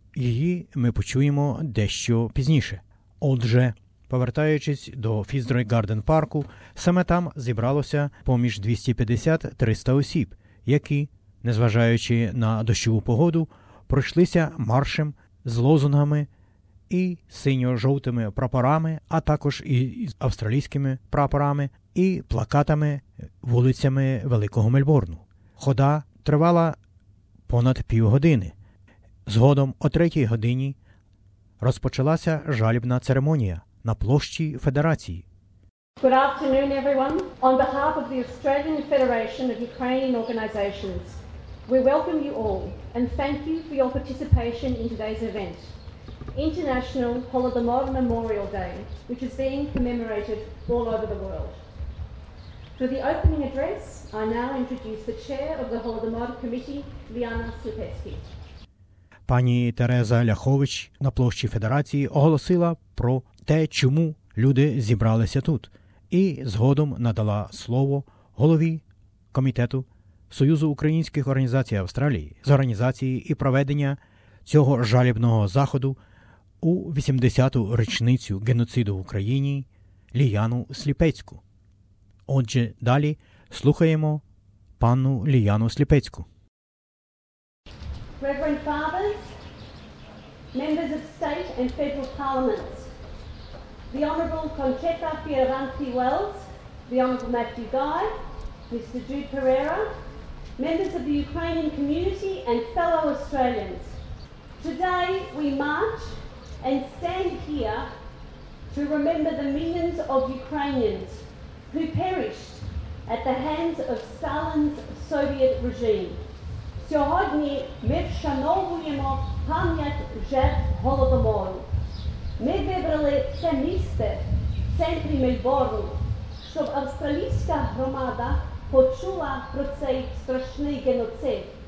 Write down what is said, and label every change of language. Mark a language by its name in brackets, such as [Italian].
[Ukrainian] Її ми почуємо дещо пізніше. Отже, повертаючись до Фіцрой Гарден парку, саме там зібралося поміж 250-300 осіб, які, незважаючи на дощову погоду, пройшлися маршем з лозунгами і синьо-жовтими прапорами, а також і з австралійськими прапорами і плакатами вулицями Великого Мельбурну. Хода тривала понад півгодини. Згодом о 3-й годині розпочалася жалібна церемонія на площі Федерації. [English] Good afternoon, everyone. On behalf of the Australian Federation of Ukrainian Organizations, we welcome you all and thank you for your participation in today's event, International Holodomor Memorial Day, which is being commemorated all over the world. For the opening address, I now introduce the chair of the Holodomor Committee, Liana Slupetsky. [Ukrainian] Пані Тереза Ляхович на площі Федерації оголосила про те, чому люди зібралися тут, і згодом надала слово голові Комітету Союзу Українських Організацій Австралії з організації і проведення цього жалібного заходу у 80-ту річницю геноциду в Україні Ліану Сліпецьку. Отже, далі слухаємо панну Ліану Сліпецьку. [English] Reverend Fathers, Members of State and Federal Parliaments, the Honourable Concetta Fioravanti Wells, the Honourable Matthew Guy, Mr. Jude Pereira, Members of the Ukrainian Community and fellow Australians, today we march and stand here to remember the millions of Ukrainians who perished at the hands of Stalin's Soviet regime. [Ukrainian] Сьогодні ми вшановуємо пам'ять жертв Голодомору. Ми вибрали це місце в центрі Мельбурну, щоб австралійська громада почула про цей страшний геноцид.